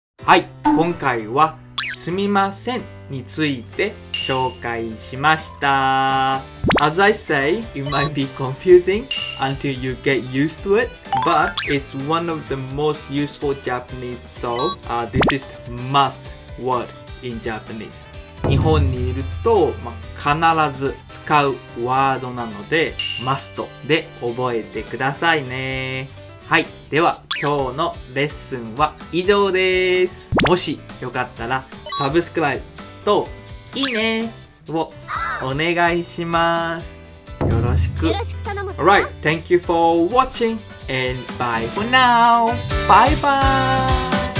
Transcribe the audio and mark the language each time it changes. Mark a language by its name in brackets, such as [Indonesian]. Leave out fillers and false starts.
[Japanese] はい、今回はすみませんについて紹介しました。 [English] As I say, it might be confusing until you get used to it, but it's one of the most useful Japanese, so、this is the must word in Japanese。 [Japanese] 日本にいると、必ず使うワードなのでマストで覚えてくださいね。はい、では今日のレッスンは以上です。もしよかったらサブスクライブといいねをお願いします。よろしく、よろしく頼むぞ。 [English] Alright, thank you for watching and bye for now. Bye bye.